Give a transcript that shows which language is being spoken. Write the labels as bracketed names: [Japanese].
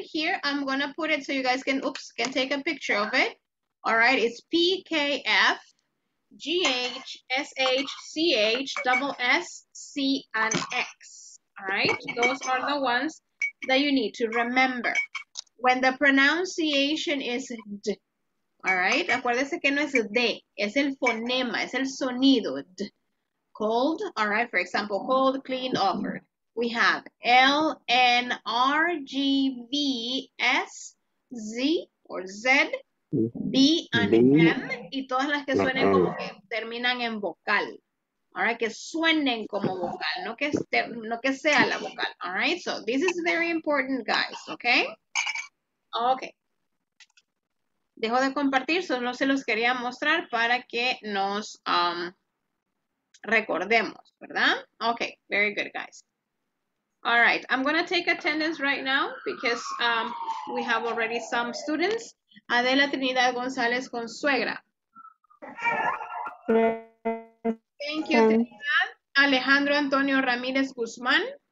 [English] Here, I'm gonna put it so you guys can, oops, can take a picture of it. All right, it's PKF, GH, SH, CH, double S, C, and X. All right, those are the ones that you need to remember. When the pronunciation is D, all right? [Spanish] Acuérdese que no es D, es el fonema, es el sonido, D. [English] Cold, all right, for example, cold, clean, offered. We have L, N, R, G, V, S, Z, or Z, B, and M, [Spanish] y todas las que suenen como que terminan en vocal. [English] All right, [Spanish] que suenen como vocal, no que sea la vocal. [English] All right, so this is very important, guys, okay? Okay. [Spanish] Dejo de compartir, solo se los quería mostrar para que nos recordemos, ¿verdad? [English] Okay, very good, guys. All right, I'm going to take attendance right now because we have already some students. [Spanish] Adela Trinidad González con suegra. [English] Thank you, Trinidad. Alejandro Antonio Ramírez Guzmán.